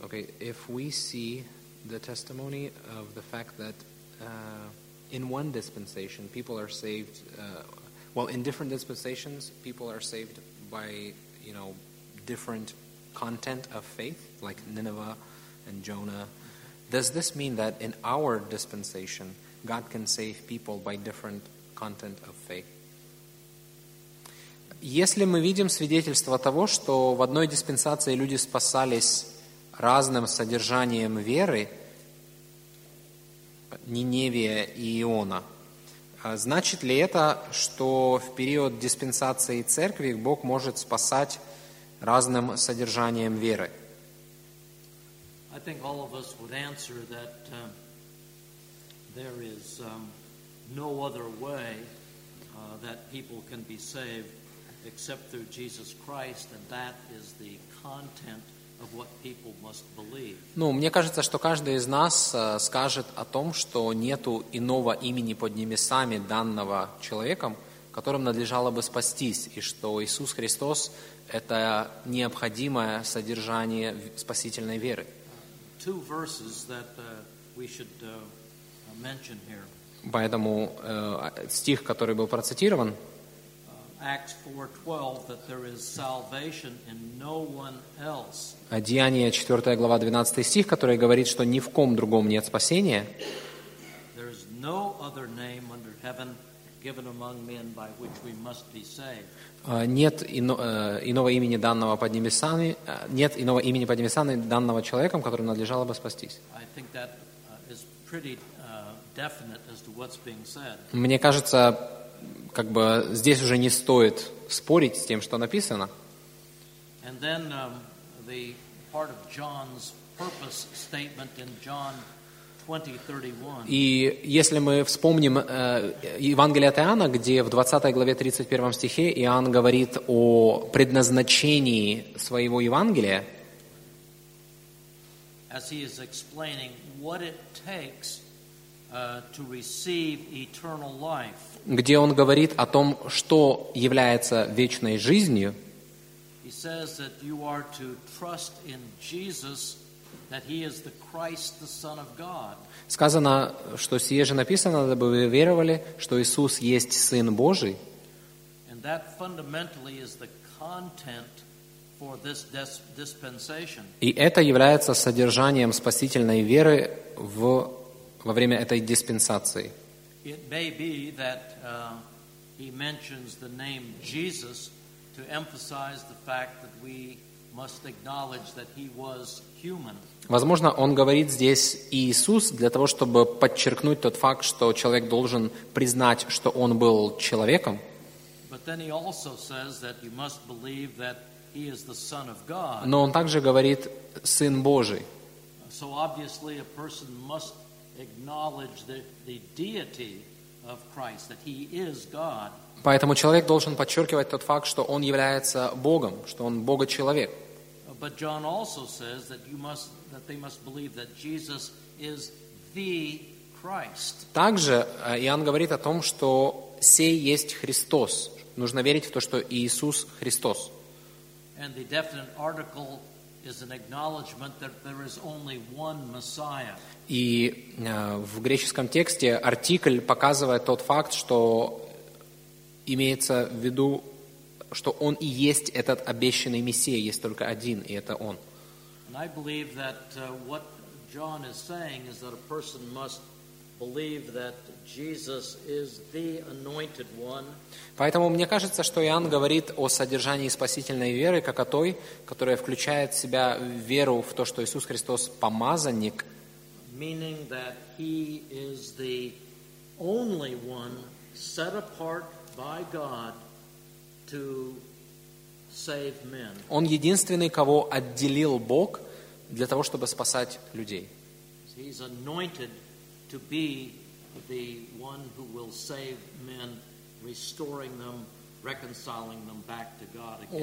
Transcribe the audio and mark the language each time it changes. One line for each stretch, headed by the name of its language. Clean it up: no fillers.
English: Okay, if we see the testimony of the fact that in one dispensation people are saved, in different dispensations people are saved by, you know, different content of faith, like Nineveh and Jonah, does this mean that in our dispensation God can save people by different content of faith?
Russian: Если мы видим свидетельство того, что в одной диспенсации люди спасались разным содержанием веры, Ниневия и Иона, значит ли это, что в период диспенсации церкви Бог может спасать разным содержанием веры?
English: I think all of us would answer that there is no other way that people can be saved except through Jesus Christ, and that is the content of what people must believe.
Russian: Ну, мне кажется, что каждый из нас скажет о том, что нету иного имени под небесами данного человеком, которым надлежало бы спастись, и что Иисус Христос — это необходимое содержание спасительной веры.
English: Two verses that we should mention here.
Russian: Поэтому стих, который был процитирован,
English: Acts 4:12, that there is salvation in no one else.
Russian: Деяния 4 глава 12 стих, который говорит, что ни в ком другом нет спасения.
English: There is no other name under heaven given among men by which we must be saved.
Russian: Нет иного имени данного под небесами, нет иного имени под небесами данного человеком, которым надлежало бы спастись.
English: I think that is pretty definite as to what's being said.
Russian: Мне кажется, как бы здесь уже не стоит спорить с тем, что написано.
English: And then the part of John's purpose statement in John 20:31.
Russian: И если мы вспомним Евангелие от Иоанна, где в 20 главе 31 стихе Иоанн говорит о предназначении своего Евангелия,
English: as he is explaining what it takes to receive eternal life,
Russian: где он говорит о том, что является вечной жизнью,
English: he says that you are to trust in Jesus, that he is the Christ, the Son of God.
Russian: Сказано, что сие же написано, дабы вы веровали, что Иисус есть Сын Божий.
English: And that fundamentally is the content for this dispensation.
Russian: И это является содержанием спасительной веры в, во время этой диспенсации.
English: It may be that he mentions the name Jesus to emphasize the fact that we must acknowledge that he was human.
Russian: Возможно, он говорит здесь Иисус для того, чтобы подчеркнуть тот факт, что человек должен признать, что он был человеком.
English: But then he also says that you must believe that he is the Son of God.
Russian: Но он также говорит Сын Божий.
English: So obviously a person must acknowledge the deity of Christ, that he is God.
Russian: Поэтому человек должен подчеркивать тот факт, что он является Богом, что он Бога-человек.
English: But John also says that you must, that they must believe that Jesus is the Christ.
Russian: Также Иоанн говорит о том, что сей есть Христос. Нужно верить в то, что Иисус Христос.
English: And the definite article is an acknowledgement that there is only one Messiah.
Russian: И в греческом тексте артикль показывает тот факт, что имеется в виду, что он и есть этот обещанный Мессия, есть только один, и это он.
English: And I believe that what John is saying is that a person must believe that Jesus is the anointed one.
Russian: Поэтому мне кажется, что Иоанн говорит о содержании спасительной веры, как о той, которая включает в себя веру в то, что Иисус Христос помазанник.
English: Meaning that he is the only one set apart by God to save men.
Russian: Он единственный, кого отделил Бог для того, чтобы спасать людей.
English: He's anointed to be the one who will save men, restoring them, reconciling them back to God again.